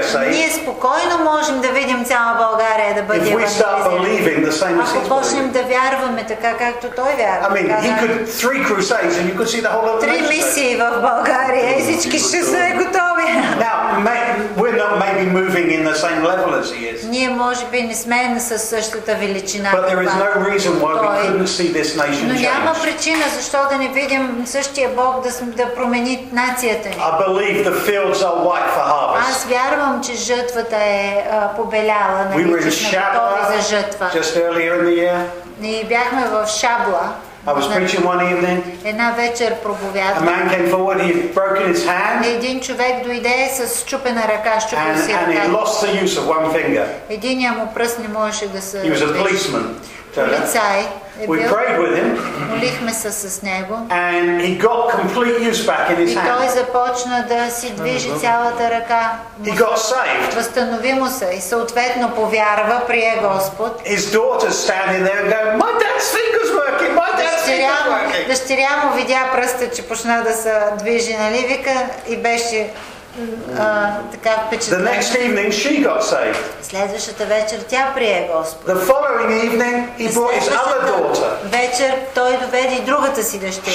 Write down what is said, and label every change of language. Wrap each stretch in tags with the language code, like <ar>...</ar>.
<bg>Ние спокойно можем да видим цяла България да бъде евангелизирана. Ако почнем да вярваме така, както той вярва.</bg> <en>I mean, he could 3 crusades and you could see the whole of the</en> <bg>3 мисии в България и всички ще са готови.</bg> <en>We're not maybe moving in the same level as he is.</en> <bg>Ние може би не сме на същата величина.</bg> <en>But there is no reason why we couldn't see this nation change.</en> <bg>Но няма причина защо да не видим същия Бог да промени нацията ни.</bg> <en>I believe the fields are white for harvest.</en> <bg>Аз вярвам, че жътвата е побеляла, нали?</bg> <en>We were in Shabla just earlier in the year.</en> <bg>Ние бяхме в Шабла.</bg> <en>I was preaching one evening.</en> <bg>Една вечер проповядвах.</bg> <en>A man came forward, he had broken his hand.</en> <bg>Един човек дойде с счупена ръка, счупил си ръка.</bg> <en>And he lost the use of one finger.</en> <bg>Единият му пръст не можеше да се.</bg> <en>He was a policeman.</en> <bg>Полицай.</bg> <en>We prayed with him.</en> <bg>Молихме се с него.</bg> <en>And he got complete use back in his hand.</en> <bg>И той започна да си движи цялата ръка.</bg> <en>He got saved.</en> <bg>Възстанови му се и съответно повярва, прие Господ.</bg> <en>His daughter standing there and going, my dad's fingers working, my dad's fingers working.</en> <bg>Дъщеря му видя пръста, че почна да се движи, нали, вика, и беше така впечатлен.</bg> <en>The next evening she got saved.</en> <bg>Следващата вечер тя прие Господ.</bg> <en>The following evening he brought his other daughter.</en> <bg>Вечер той доведе другата си дъщеря.</bg>